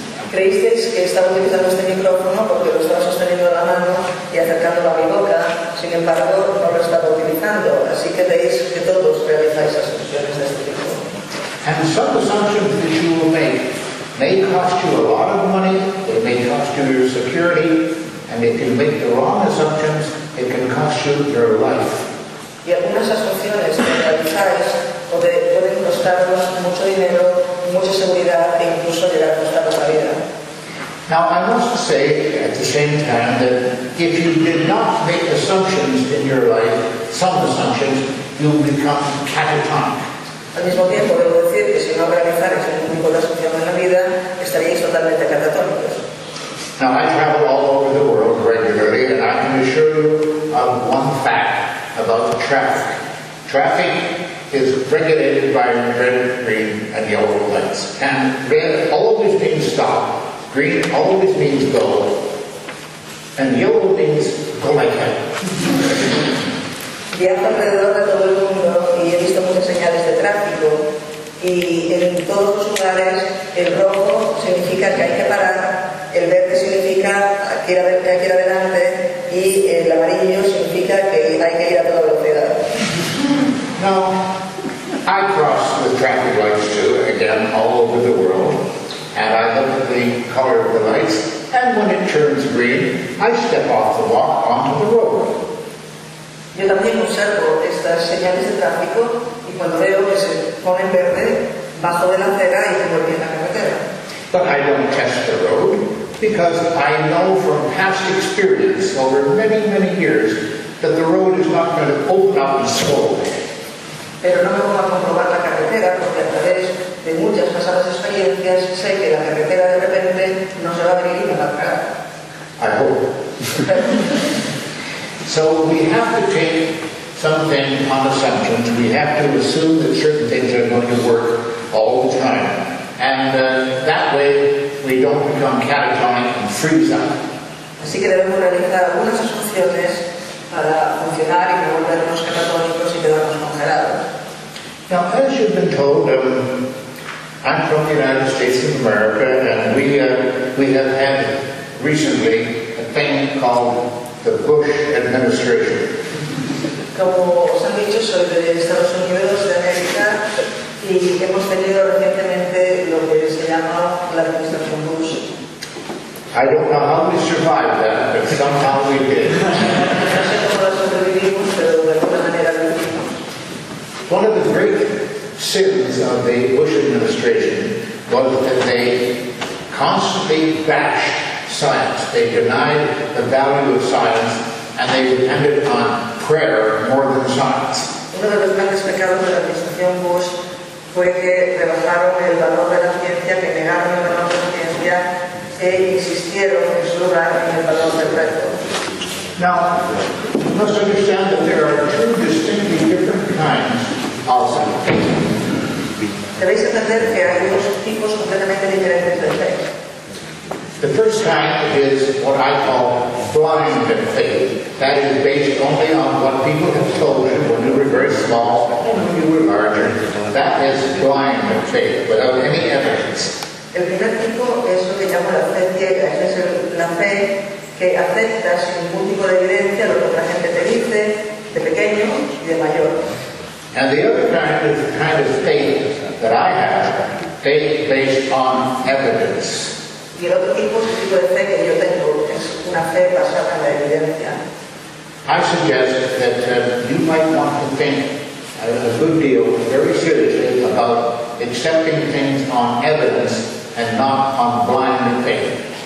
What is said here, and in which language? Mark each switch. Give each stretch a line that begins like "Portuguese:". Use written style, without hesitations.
Spanish: Creísteis que estaba utilizando este micrófono porque lo estaba sosteniendo a la mano y acercándolo a mi boca, sin embargo no lo estaba utilizando, así que veis que todos realizáis asunciones de este tipo.
English: And some assumptions that you will make may cost you a lot of money, it may cost you your security, and if you make the wrong assumptions, it can cost you your life.
Spanish: y algunas asunciones que realizáis pueden costarnos mucho dinero, mucha seguridad e incluso llegar a costarnos la vida.
English: Now, I must say at the same time that if you did not make assumptions in your life, some assumptions, you'll become catatonic.
Spanish: Al mismo tiempo, debo decir que si no realizáis ningún tipo de asunción en la vida, estaríais totalmente catatónicos.
English: Now, I travel all over the world regularly, and I can assure you of one fact about the traffic. Traffic is regulated by red, green, and yellow lights. And red always means stop, green always means go, and yellow means go like hell.
Spanish: Viajo alrededor de todo el mundo y he visto muchas señales de tráfico y en todos los lugares el rojo significa que hay que parar, el verde significa que hay que ir adelante y el amarillo significa que hay que ir a toda velocidad.
English: Now, I cross the traffic lights too, again, all over the world, and I look at the color of the lights, and when it turns green, I step off the walk onto the road.
Spanish: Yo también observo estas señales de tráfico y cuando veo que se ponen verde, bajo de la acera y vuelvo en la carretera.
English: But I don't test the road because I know from past experience over many, many years that the road is not going to open up and slow.
Spanish: Pero no me voy a comprobar la carretera porque a través de muchas pasadas experiencias sé que la carretera de repente no se va a abrir y va a parar.
English: I hope. So we have to take something on assumptions. We have to assume that certain things are going to work all the time. And that way we don't become catatonic and freeze up.
Spanish: Así que debemos realizar algunas asunciones para funcionar y no volvernos catatónicos y quedarnos congelados.
English: Now, as you've been told, I'm from the United States of America, and we have had recently a thing called the Bush administration.
Spanish: Como os han dicho, soy de Estados Unidos, de América, y hemos tenido recientemente lo que se llama la administración Bush.
English: I don't know how we survived that, but somehow we did.
Spanish: No sé cómo lo sobrevivimos, pero de alguna manera lo hicimos.
English: One of the great sins of the Bush administration was that they constantly bashed science. They denied the value of science and they depended on prayer more than science.
Spanish: Uno de los grandes pecados de la administración Bush fue que rebajaron el valor de la ciencia, que negaron el valor de la ciencia e insistieron en su lugar en el valor del reto.
English: Now, you must understand that there are two distinctly different kinds of science.
Spanish: Debéis entender que hay dos tipos completamente diferentes de fe.
English: The first kind is what I call blind faith. That is based only on what people have told you when you were very small and when you were larger. That is blind faith, without any evidence.
Spanish: El primer tipo es lo que llamo la fe ciega. Es la fe que acepta sin ningún tipo de evidencia lo que otra gente te dice, de pequeño y de mayor.
English: And the other kind is the kind of faith that I have, faith based on evidence.
Spanish: Y el otro tipo de fe que yo tengo es una fe basada en la evidencia.
English: I suggest that you might want to think a good deal, very seriously, about accepting things on evidence and not on blind faith.